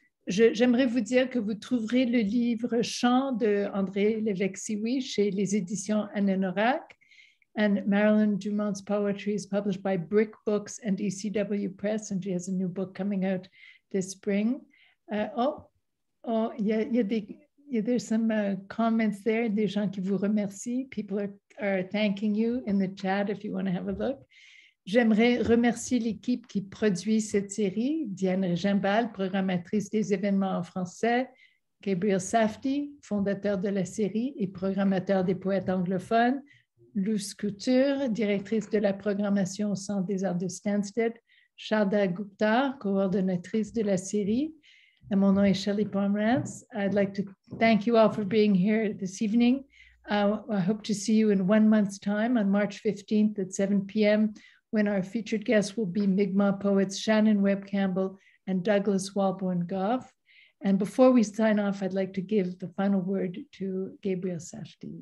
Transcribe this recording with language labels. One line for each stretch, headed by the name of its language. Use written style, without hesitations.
French: J'aimerais vous dire que vous trouverez le livre Chant de Andrée Lévesque Sioui chez les éditions Hannenorak,
English: and Marilyn Dumont's poetry is published by Brick Books and ECW Press, and she has a new book coming out this spring. There's some comments there,
French: des gens qui vous remercient.
English: People are thanking you in the chat if you want to have a look.
French: J'aimerais remercier l'équipe qui produit cette série, Diane Régimbal, programmatrice des événements en français, Gabriel Safdie, fondateur de la série et programmateur des poètes anglophones, Luce Couture, directrice de la programmation au Centre des arts de Stansted, Sharda Gupta, coordonnatrice de la série. And mon nom est Shelley Pomerantz.
English: I'd like to thank you all for being here this evening. I hope to see you in 1 month's time on March 15th at 7 p.m. when our featured guests will be Mi'kmaq poets Shannon Webb Campbell and Douglas Walborn-Goff. And before we sign off, I'd like to give the final word to Gabriel Safdie.